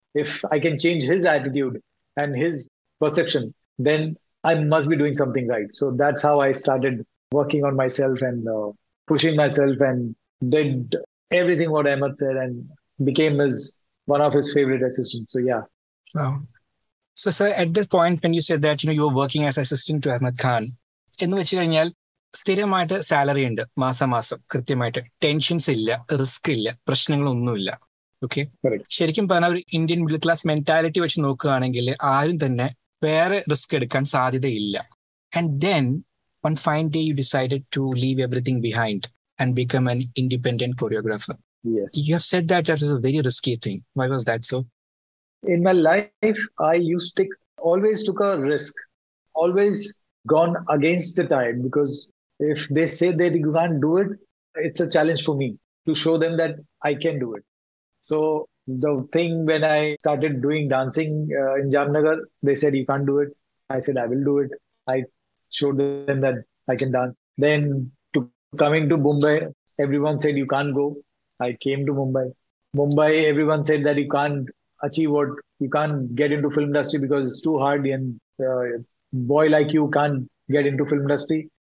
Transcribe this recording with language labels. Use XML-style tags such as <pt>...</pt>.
<en>If I can change his attitude and his perception, then I must be doing something right. So that's how I started working on myself and pushing myself and did everything what Ahmed said and became his one of his favorite assistants. So yeah. Wow. So sir, at this point when you said that, you know, you were working as assistant to Ahmed Khan, in which you know,</en> <ml>സ്ഥിരമായിട്ട് salary ഉണ്ട്, മാസം മാസം കൃത്യമായിട്ട് tensions ഇല്ല, risk ഇല്ല, പ്രശ്നങ്ങളൊന്നുമില്ല. Okay, ശരിക്കും പറഞ്ഞാൽ ഒരു ഇന്ത്യൻ മിഡിൽ ക്ലാസ് മെന്റാലിറ്റി വെച്ച് നോക്കുകയാണെങ്കിൽ ആരും തന്നെ വേറെ റിസ്ക് എടുക്കാൻ സാധ്യതയില്ല.</ml> <en>And then one fine day you decide to leave everything behind and become an independent choreographer. You have said that that is a very risky thing why was that so in my life I use to always take a risk always gone against the tide because if they say they can't do it, it's a challenge for me to show them that I can do it. So the thing when I started doing dancing in Jamnagar, they said you can't do it. I said I will do it. I showed them that I can dance. Then to coming to Mumbai, everyone said you can't go. I came to Mumbai. Mumbai, everyone said that you can't achieve what, you can't get into film industry because it's too hard and boy like you can't get into film industry.</en>